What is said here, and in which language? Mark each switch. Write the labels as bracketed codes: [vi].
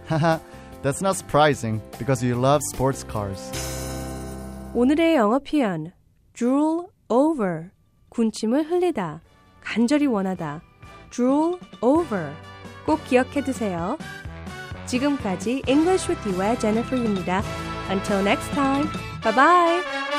[en] Haha, that's not surprising, because you love sports cars. [ko] 오늘의 영어 표현, drool over, 군침을 흘리다, 간절히 원하다, drool over, 꼭 기억해 두세요. 지금까지 English with You의 Jennifer입니다. [en] Until next time, bye-bye!